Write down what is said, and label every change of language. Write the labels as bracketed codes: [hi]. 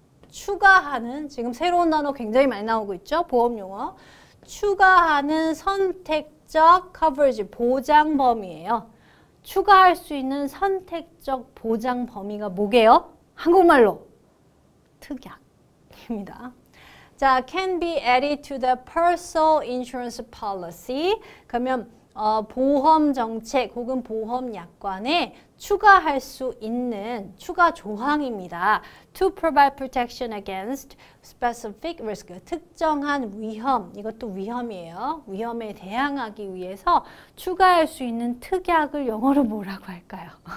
[ko] 추가하는, 지금 새로운 단어 굉장히 많이 나오고 있죠? 보험용어. 추가하는 선택적 coverage, 보장 범위예요. 추가할 수 있는 선택적 보장 범위가 뭐게요? 한국말로. 특약입니다. [en] 자, can be added to the personal insurance policy. [ko] 그러면 보험 정책 혹은 보험 약관에 추가할 수 있는 추가 조항입니다. [en] To provide protection against specific risk. [ko] 특정한 위험. 이것도 위험이에요. 위험에 대항하기 위해서 추가할 수 있는 특약을 영어로 뭐라고 할까요?